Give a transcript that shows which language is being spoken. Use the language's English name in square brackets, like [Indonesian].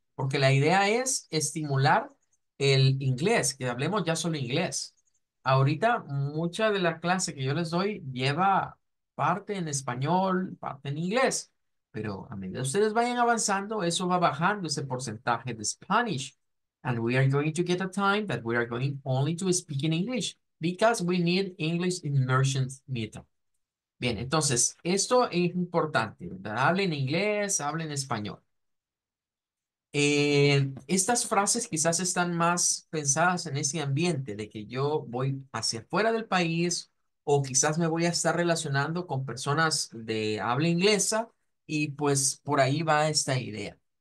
[Spanish] Porque la idea es estimular el inglés, que hablemos ya solo inglés. Ahorita, mucha de la clase que yo les doy lleva parte en español, parte en inglés. Pero a medida que ustedes vayan avanzando, eso va bajando ese porcentaje de Spanish. [English] And we are going to get a time that we are going only to speak in English, because we need English immersion meetup. [Spanish] Bien, entonces, esto es importante, ¿verdad? Hablen inglés, hablen español. Estas frases quizás están más pensadas en ese ambiente de que yo voy hacia afuera del país o quizás me voy a estar relacionando con personas de habla inglesa y pues por ahí va esta idea.